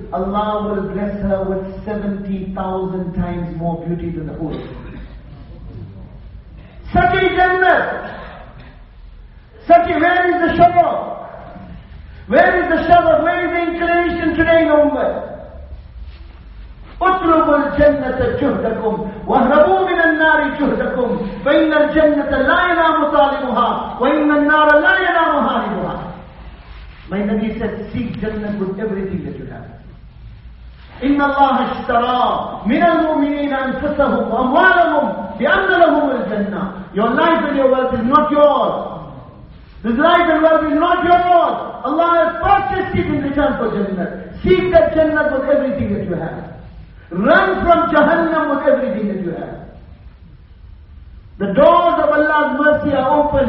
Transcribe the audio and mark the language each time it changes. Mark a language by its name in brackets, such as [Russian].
[English] Allah will bless her with 70,000 times more beauty than the hood. Such a jannah! Where is the shabab? Where is the inclination today in Ummah? [Arabic] اطلبوا الجنة جهدكم واهربوا من النار جهدكم فإن الجنة لا ينام طالبها وإن النار لا ينام هاربها. [English] My Nabi said, seek Jannah with everything that you have. [Arabic] إن الله اشترى من المؤمنين أنفسهم وأموالهم بأن لهم الجنة. [English] Your life and your wealth is not yours. This life and wealth is not yours. Allah has purchased it in return for Jannah. Seek that Jannah with everything that you have. Run from Jahannam with everything that you have. The doors of Allah's mercy are open.